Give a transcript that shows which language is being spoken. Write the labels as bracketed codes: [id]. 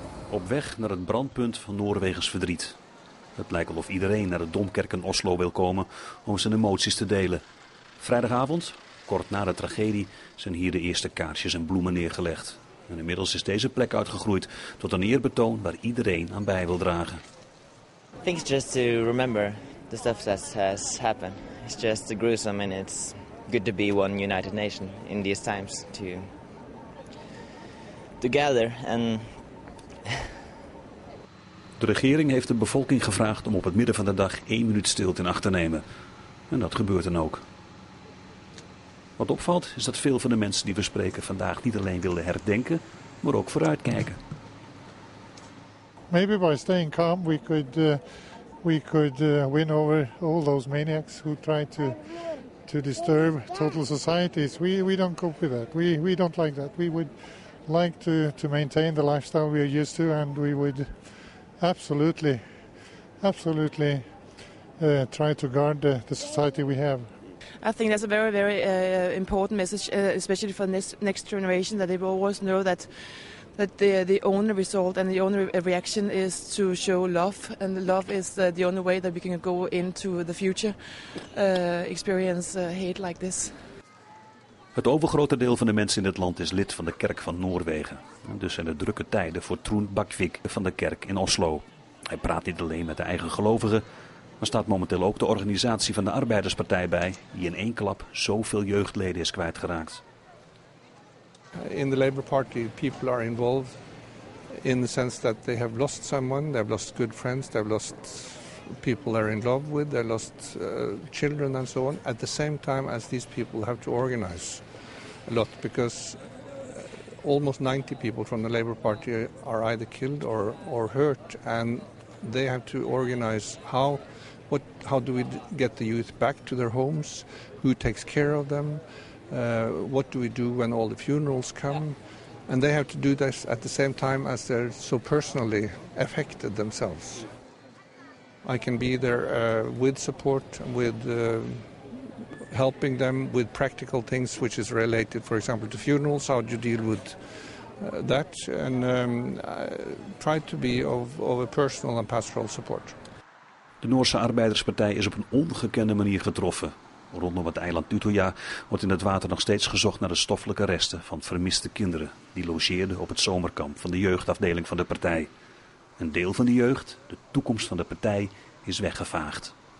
[nl] Op weg naar het brandpunt van Noorwegens verdriet. Het lijkt alsof iedereen naar de Domkerk in Oslo wil komen om zijn emoties te delen. Vrijdagavond, kort na de tragedie, zijn hier de eerste kaarsjes en bloemen neergelegd. En inmiddels is deze plek uitgegroeid tot een eerbetoon waar iedereen aan bij wil dragen. [en] I think it's just to remember the stuff that has happened. It's just gruesome and it's good to be one United Nation in these times to gather and. [nl] De regering heeft de bevolking gevraagd om op het midden van de dag 1 minuut stilte in acht te nemen. En dat gebeurt dan ook. Wat opvalt is dat veel van de mensen die we spreken vandaag niet alleen willen herdenken, maar ook vooruitkijken. [en] Maybe by staying calm we could win over all those maniacs who try to disturb total societies. We don't cope with that. We don't like that. We would like to maintain the lifestyle we are used to and we would absolutely try to guard the society we have. I think that's a very, very important message, especially for this next generation, that they will always know that the only result and the only reaction is to show love, and love is the only way that we can go into the future, experience hate like this. [nl] Het overgrote deel van de mensen in het land is lid van de Kerk van Noorwegen. En dus zijn er drukke tijden voor Trond Bakvik van de kerk in Oslo. Hij praat niet alleen met de eigen gelovigen, maar staat momenteel ook de organisatie van de Arbeiderspartij bij, die in 1 klap zoveel jeugdleden is kwijtgeraakt. [en] In the Labour Party, people are involved in the sense that they have lost someone, they have lost good friends, they have lost people they're in love with, they lost children and so on, at the same time as these people have to organize a lot, because almost 90 people from the Labour Party are either killed or hurt, and they have to organize how do we get the youth back to their homes, who takes care of them, what do we do when all the funerals come, and they have to do this at the same time as they're so personally affected themselves. I can be there with support, with helping them with practical things which is related, for example, to funerals, how do you deal with that, and try to be of a personal and pastoral support. [nl] De Noorse Arbeiderspartij is op een ongekende manier getroffen. Rondom het eiland Utøya wordt in het water nog steeds gezocht naar de stoffelijke resten van vermiste kinderen die logeerden op het zomerkamp van de jeugdafdeling van de partij. Een deel van de jeugd, de toekomst van de partij, is weggevaagd.